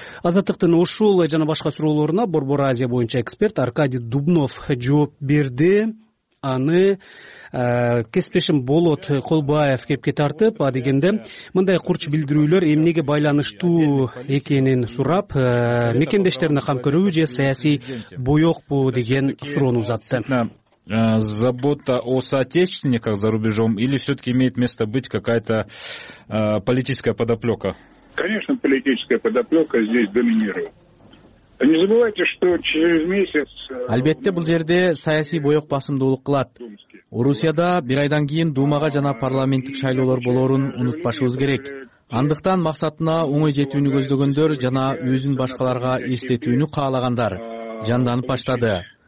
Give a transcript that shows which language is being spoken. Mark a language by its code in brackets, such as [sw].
[ky] Азаттыктын ушул жана башка суроолоруна Борбор Азия боюнча эксперт Аркадий Дубнов жооп берди. Аны кесиптешим Болот Колбаев кепке тартып, адегенде мындай курч билдирүүлөр эмнеге байланыштуу экенин сурап, мекендештерине камкөрүүбү же саясий боекпу деген суроону узатты. [ru] Забота о соотечественниках за рубежом или все-таки имеет место быть какая-то политическая подоплека? Конечно, политическая подоплека здесь доминирует. Не забывайте, что через месяц... [ky] Албетте, бул жерде саясий боек басымдуулук кылат. Орусияда бир айдан кийин Думага жана парламенттик шайлоолор болорун унутпашыбыз керек. Андыктан максатына оңой жетүүнү көздөгөндөр жана өзүн башкаларга эстетүүнү каалагандар жанданып баштады.